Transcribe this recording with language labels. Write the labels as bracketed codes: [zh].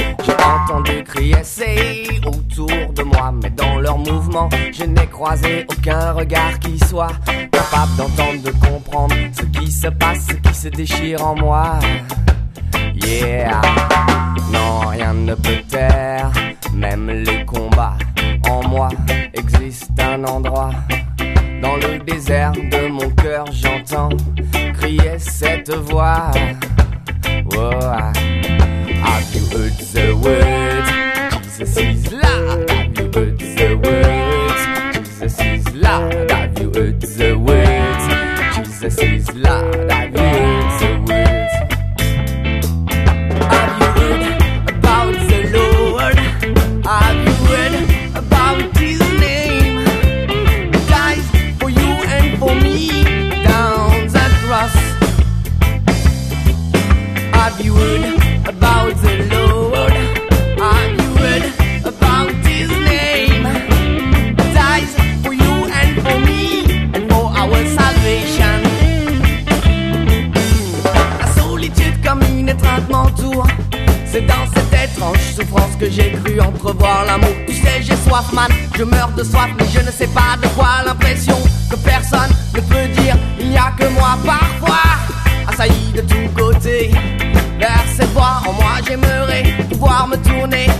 [fr] J'ai entendu crier c'est autour de moi, mais dans leur mouvement je n'ai croisé aucun regard qui soit capable d'entendre, de comprendre ce qui se passe, ce qui se déchire en moi. [en] Yeah. [fr] Non, rien ne peut taire même les combats en moi. Existe un endroit dans le désert de mon cœur, j'entends crier cette voix. [en] Oh, have you heard the word? Jesus is Lord. Have you heard the word? Jesus is Lord. Have you heard the word? Jesus is Lord. Have you heard the word? Have you heard about the Lord? Have you heard about His name? Died for you and for me down the cross. Have you heard about the Lord? Have you heard about His name? Dies for you and for me and for our salvation. [fr] La solitude comme une étreinte m'entoure. C'est dans cette étrange souffrance que j'ai cru entrevoir l'amour. Tu sais, j'ai soif, man, je meurs de soif, mais je ne sais pas de quoi. L'impression que personne ne peut dire, il n'y a que moi. Parfois, assailli de tous côtés vers ses voix, en moi j'aimerais pouvoir me tourner.